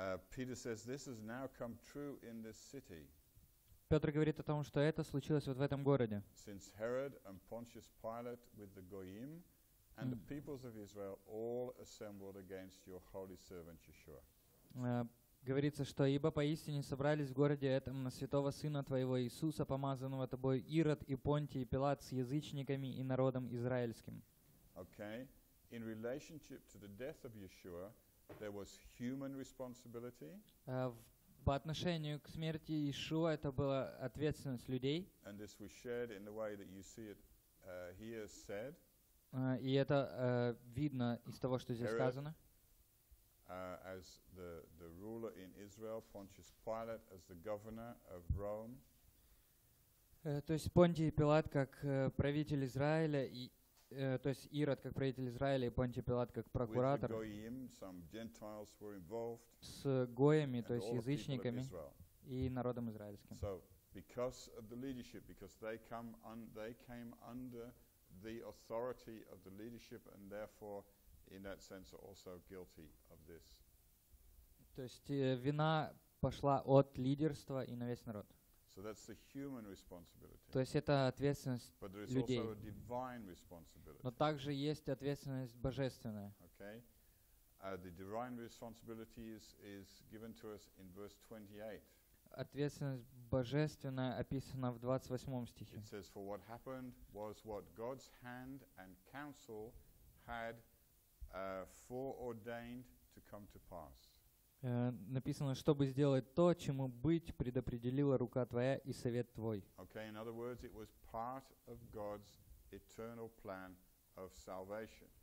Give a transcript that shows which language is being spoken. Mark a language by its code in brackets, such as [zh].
[en] Peter says this has now come true in this city. [ru] Петр говорит о том, что это случилось вот в этом городе. [en] Since Herod and Pontius Pilate with the goyim and the peoples of Israel all assembled against your holy servant Yeshua. [ru] Говорится, что ибо поистине собрались в городе этом на святого сына твоего Иисуса, помазанного тобой, Ирод и Понтий Пилат с язычниками и народом израильским. [en] Okay, in relationship to the death of Yeshua, there was human responsibility. [ru] По отношению к смерти Иешуа это была ответственность людей. [en] And this was shared in the way that you see it here said. [ru] И это видно из того, что здесь сказано. [en] As the ruler in Israel, Pontius Pilate as the governor of Rome. [ru] То есть Понтий Пилат как правитель Израиля и то есть Ирод как правитель Израиля и Понтий Пилат как прокуратор с гоями, то есть язычниками и народом израильским. [en] So because of the leadership, because they came under the authority of the leadership and therefore in that sense are also guilty of this. [ru] То есть вина пошла от лидерства и на весь народ. [en] So that's the human responsibility. [ru] То есть это ответственность [en] But there is [ru] людей. [en] Also a divine responsibility. [ru] Но также есть ответственность божественная. [en] Okay. The divine responsibility is given to us in verse 28. [ru] Ответственность божественная описана в 28 стихе. [en] It says, for what happened was what God's hand and counsel had foreordained to come to pass. [ru] Написано, чтобы сделать то, чему быть предопределила рука твоя и совет твой. [en] Okay, in other words, it was part of God's eternal plan of salvation.